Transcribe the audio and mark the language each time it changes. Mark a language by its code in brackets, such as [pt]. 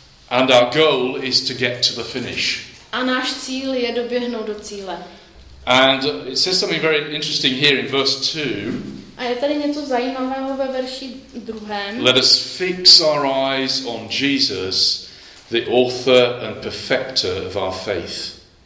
[en] And our goal is to get to the finish. [cs] A náš cíl je doběhnout do cíle. [en] And it says something very interesting here in verse 2. [cs] A je tady něco zajímavého ve verši 2. [en] Let us fix our eyes on Jesus, the author and perfecter of our faith.